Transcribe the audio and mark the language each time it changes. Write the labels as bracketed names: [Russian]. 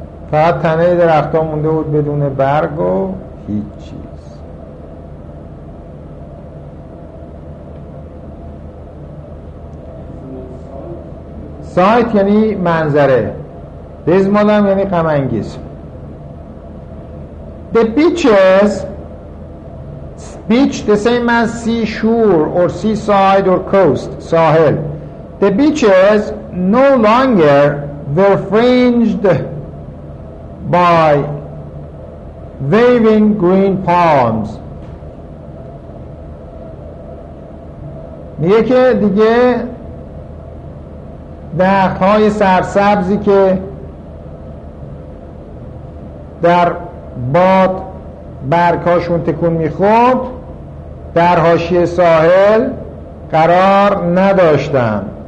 [Persian] فقط تنه درخت ها مونده بود بدون برگ و هیچ چیز. سایت یعنی منظره، دزمال هم یعنی غم انگیز. [English] The beaches. Beach the same as seashore or seaside or coast. [Persian] ساحل. [English] The beaches no longer were fringed by waving green palms. [Persian] میگه که دیگه درخت‌های سرسبزی که در باد برگ‌هاشون تکون می‌خورد در حاشیه ساحل قرار نداشتن.